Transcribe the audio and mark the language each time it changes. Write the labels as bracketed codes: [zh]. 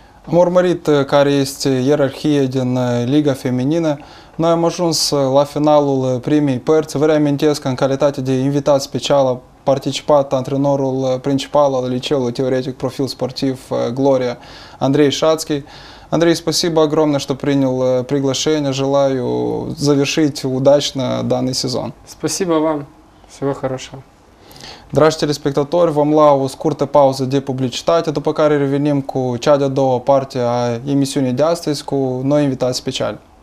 [ro] Am urmărit care este ierarhia din Liga Feminină. Noi am ajuns la finalul primei părți. Vă reamintesc că în calitate de invitat special a participat antrenorul principal al Liceului Teoretic Profil Sportiv Gloria, Andrei Șațchi. [ru] Andrei, спасибо огромное, что принял приглашение. Желаю завершить удачно данный сезон. Спасибо вам. Всего хорошего. [ro] Dragi telespectatori, vom lua o scurtă pauză de publicitate, după care revenim cu cea de-a doua parte a emisiunii de astăzi cu noi invitați speciali.